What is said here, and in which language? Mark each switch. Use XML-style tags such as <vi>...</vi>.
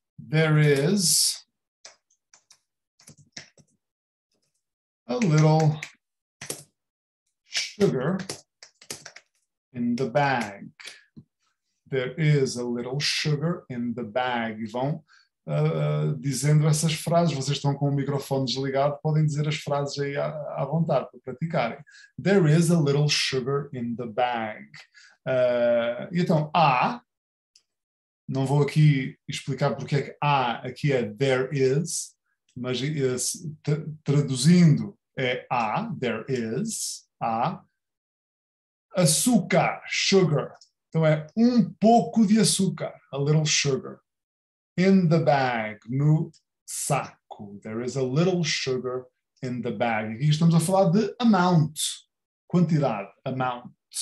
<en>There is a little sugar in the bag. There is a little sugar in the bag.</en> <pt>E vão dizendo essas frases. Vocês estão com o microfone desligado, podem dizer as frases aí à vontade para praticarem.</pt> <en>There is a little sugar in the bag.</en> <pt>Então, há. Não vou aqui explicar porque é que há, aqui é</pt> <en>there is,</en> <pt>mas traduzindo é há, there is, há. Açúcar, sugar. Então é um pouco de açúcar,</pt> <en>a little sugar. In the bag,</en> <pt>no saco.</pt> <en>There is a little sugar in the bag.</en> <pt>Aqui estamos a falar de amount, quantidade, amount.</pt>